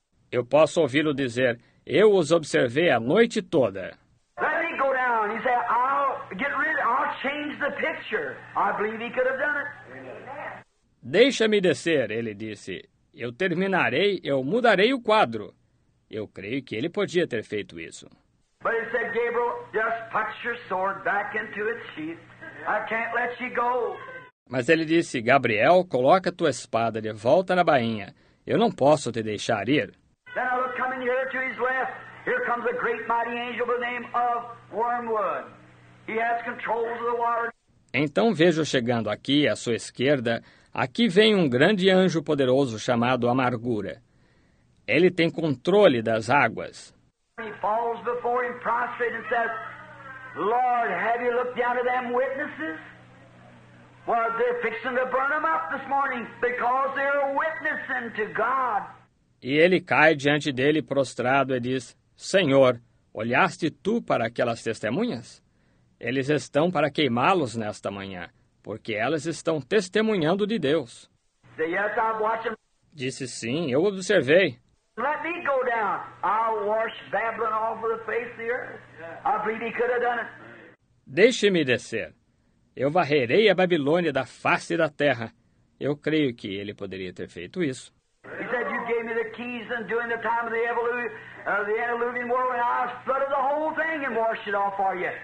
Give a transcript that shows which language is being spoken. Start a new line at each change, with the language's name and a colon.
Portuguese: Eu posso ouvi-lo dizer, eu os observei a noite toda.
English: Let me go down. He said, I'll get rid of it. I'll change the picture. I believe he could have done it.
Portuguese: Deixa-me descer, ele disse. Eu terminarei, eu mudarei o quadro. Eu creio que ele podia ter feito isso.
English: But he said, Gabriel, just put your sword back into its sheath. I can't let you go.
Portuguese: Mas ele disse, Gabriel, coloca tua espada de volta na bainha. Eu não posso te deixar ir.
English: Then I look coming here to his left. Here comes a great mighty angel by the name of Wormwood. He has control of the water.
Portuguese: Então vejo chegando aqui à sua esquerda. Aqui vem um grande anjo poderoso chamado Amargura. Ele tem controle das águas.
English: He falls before him prostrate and says, Lord, have you looked down to them witnesses? Well, they're fixing to burn them up this morning because they're witnessing to God.
Portuguese: E ele cai diante dele prostrado e diz, Senhor, olhaste tu para aquelas testemunhas? Eles estão para queimá-los nesta manhã, porque elas estão testemunhando de Deus.
English: Yes, I'm watching.
Portuguese: Disse sim, eu observei.
English: Let me go down. I'll wash Babylon off of the face of the earth. I believe he could have done it.
Portuguese: Deixe-me descer. Eu varrerei a Babilônia da face da terra. Eu creio que ele poderia ter feito isso.
English: He said you gave me the keys and during the time of the antediluvian world and I'll flood the whole thing and wash it off for you.